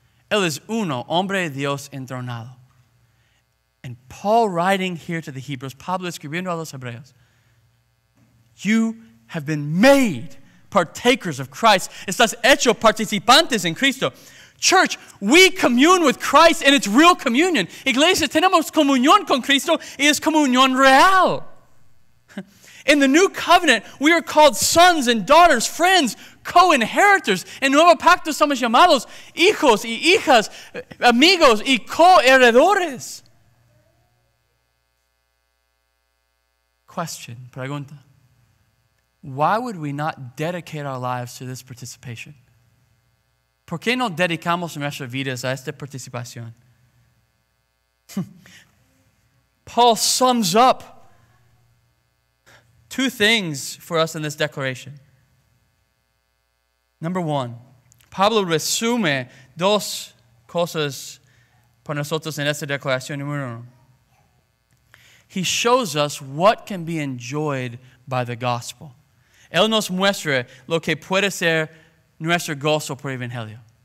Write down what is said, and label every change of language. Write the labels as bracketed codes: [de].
[es] Él es uno, hombre Dios entronado. [en] And Paul writing here to the Hebrews, [es] Pablo escribiendo a los Hebreos, [en] you have been made partakers of Christ. [es] Estás hecho participantes en Cristo. [en] Church, we commune with Christ and it's real communion. [es] Iglesia, tenemos comunión con Cristo y es comunión real. [en] In the new covenant, we are called sons and daughters, friends, co-inheritors. [es] En nuevo pacto somos llamados hijos y hijas, amigos y co-heredores. [en] Question, pregunta. Why would we not dedicate our lives to this participation? [es] ¿Por qué no dedicamos nuestras vidas a esta participación? [en] Paul sums up two things for us in this declaration. Number one, [es] Pablo resume dos cosas para nosotros en esta declaración. Número uno, [en] he shows us what can be enjoyed by the gospel. [es] Él nos muestra lo que puede ser nuestro gozo por el evangelio.